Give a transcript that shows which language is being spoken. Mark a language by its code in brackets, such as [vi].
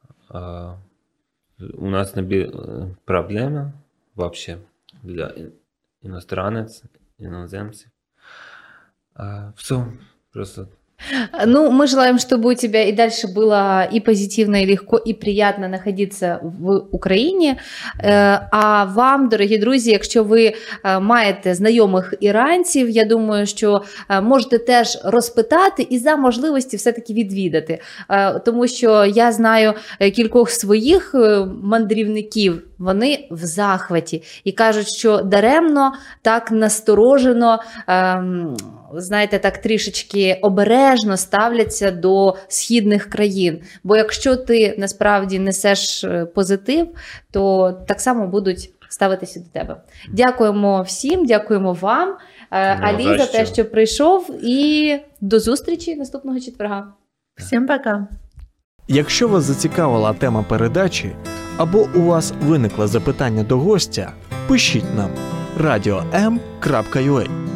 [ru] У нас не было проблемы вообще для иностранцев, иноземцев. Все, просто Ну, мы желаем, чтобы у тебя и дальше было и позитивно, и легко, и приятно находиться в Украине. [uk] А вам, дорогі друзі, якщо ви маєте знайомих іранців, я думаю, що можете теж розпитати і за можливості все-таки відвідати. Тому що я знаю кількох своїх мандрівників, вони в захваті і кажуть, що даремно, так насторожено, знаєте, так трішечки обережно ставляться до східних країн. Бо якщо ти насправді несеш позитив, то так само будуть ставитися до тебе. Дякуємо всім, дякуємо вам, Алі, за те, що прийшов, і до зустрічі наступного четверга. Всім пока! Якщо вас зацікавила тема передачі, або у вас виникло запитання до гостя, пишіть нам radio.m.ua.